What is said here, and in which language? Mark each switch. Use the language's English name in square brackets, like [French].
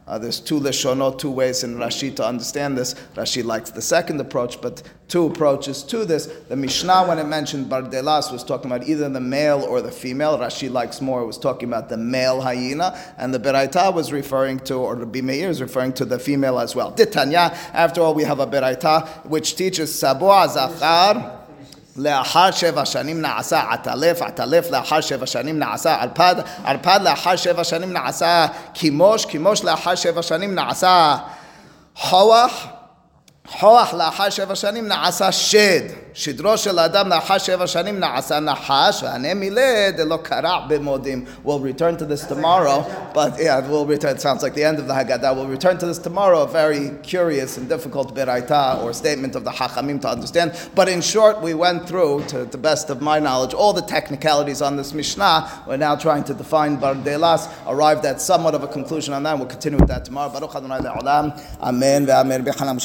[English] There's two leshonot, two ways in Rashi to understand this. Rashi likes the second approach, but two approaches to this. The Mishnah, when it mentioned Bardelas, was talking about either the male or the female. Rashi likes more, it was talking about the male hyena. And the Beraita was referring to, or Rabbi Meir is referring to, the female as well. Ditanya, after all, we have a Beraita, which teaches Sabua Zachar. [Hebrew] לאחר שבע שנים נעשה עטלף, עטלף לאחר שבע שנים נעשה ערפד, ערפד לאחר שבע שנים נעשה כימוש, כימוש לאחר שבע שנים נעשה חוח, חוח לאחר שבע שנים נעשה שד, שדרו של אדם לאחר שבע שנים נעשה נחש, ואני מילד, לא קרע במודים. [English] We'll return to this tomorrow, but yeah, we'll return, it sounds like the end of the Haggadah. We'll return to this tomorrow, a very curious and difficult beraita or statement of the Hachamim to understand. But in short, we went through, to the best of my knowledge, all the technicalities on this Mishnah. We're now trying to define Bardelas, arrived at somewhat of a conclusion on that, and we'll continue with that tomorrow. [Hebrew] Baruch Adonai Le'olam. [English] Amen. Amen.